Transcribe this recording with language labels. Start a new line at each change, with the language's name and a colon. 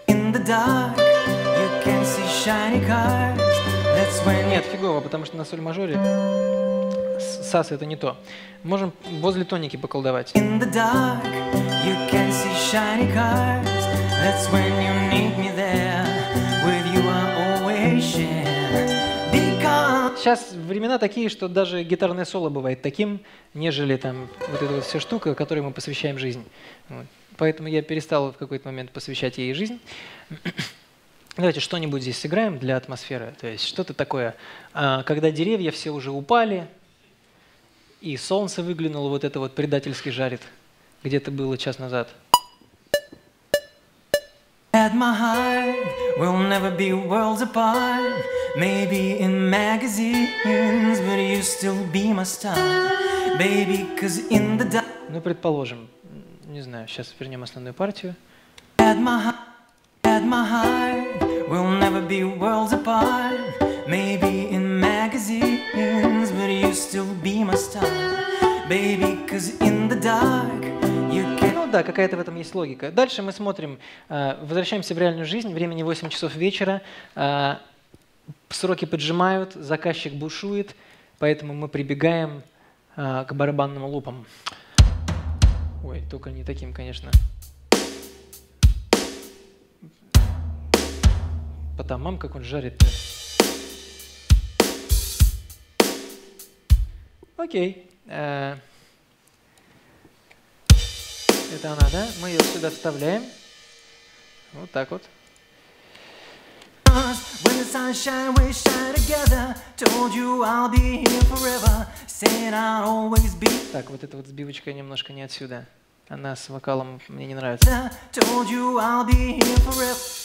English: In the dark, you can see shiny cars. That's when...
Russian: Нет, фигово, потому что на соль-мажоре... Сас это не то. Можем возле тоники поколдовать.
English: In the dark, you can see shiny cars. That's when you meet me there. With you I always share. Because...
Russian: Сейчас времена такие, что даже гитарное соло бывает таким, нежели там вот эта вот вся штука, которой мы посвящаем жизнь. Вот. Поэтому я перестал в какой-то момент посвящать ей жизнь. Давайте что-нибудь здесь сыграем для атмосферы. То есть что-то такое, когда деревья все уже упали, и солнце выглянуло, вот это вот предательски жарит, где-то было час назад.
English: At my heart, we'll never be worlds apart. Maybe in magazines, but you still be my star. Baby, cause in the dark...
Russian: Ну, предположим, не знаю, сейчас вернем основную партию. At my heart, we'll never be worlds apart. Maybe in magazines, but you still be my star. Baby, cause in the dark, you can... Ну да, какая-то в этом есть логика. Дальше мы смотрим, возвращаемся в реальную жизнь. Времени 8 часов вечера. Сроки поджимают, заказчик бушует. Поэтому мы прибегаем к барабанным лупам. Ой, только не таким, конечно. Потамам, как он жарит-то. Окей. Это она, да? Мы ее сюда вставляем. Вот так вот.
English: When the sunshine we shine together. Told you I'll be here forever. Said I'll always be.
Russian: Так, вот эта вот сбивочка немножко не отсюда. Она с вокалом мне не нравится.
English: Told you I'll be here forever.